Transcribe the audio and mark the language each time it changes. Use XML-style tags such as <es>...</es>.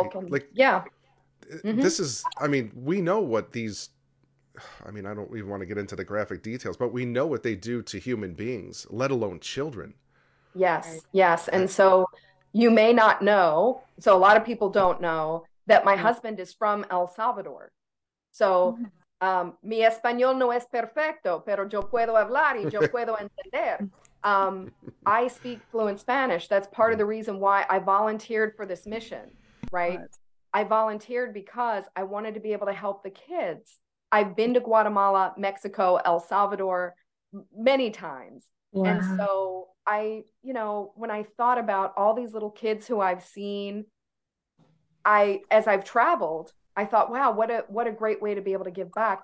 <en>We know what these, I don't even want to get into the graphic details, but we know what they do to human beings, let alone children. Yes. Yes. And so you may not know. So a lot of people don't know that my husband is from El Salvador.</en> <es>So, mi español no es perfecto, pero yo puedo hablar y yo puedo entender.</es> <en>I speak fluent Spanish. That's part of the reason why I volunteered for this mission, right? I volunteered because I wanted to be able to help the kids. I've been to Guatemala, Mexico, El Salvador many times. Wow. And so when I thought about all these little kids who I've seen, as I've traveled, I thought, wow, what a great way to be able to give back.</en>